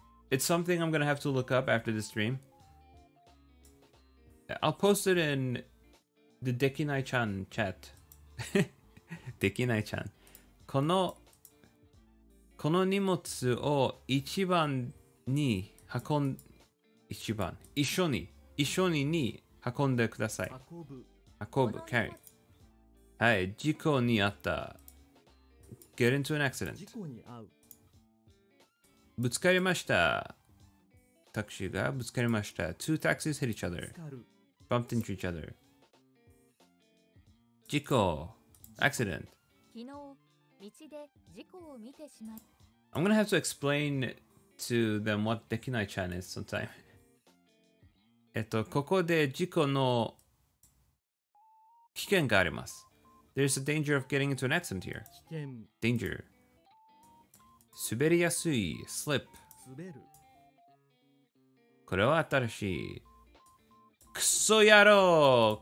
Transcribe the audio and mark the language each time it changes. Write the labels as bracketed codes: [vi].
[en] It's something I'm going to have to look up after the stream. I'll post it in the Dekinai-chan chat. Dekinai-chan. [ja] この荷物を一番に運ん一番。一緒に、一緒にに運んでください。運ぶ、 [en] carry。 [ja] はい、事故にあった。 [en] Get into an accident。 [ja] 事故に遭う。ぶつかりました。タクシーがぶつかりました。 [en] Two taxis hit each other。 Bumped into each other。 [ja] 事故、accident。昨日、道で事故を見てしまい。 [en] I'm gonna have to explain to them what dekinai chan is sometime. [ja] ここで事故の危険があります。 [en] There's a danger of getting into an accident here. [ja] 危険。 [en] Danger. [ja] 滑りやすい。 [en] Slip. [ja] 滑る。これは新しい。クソ野郎。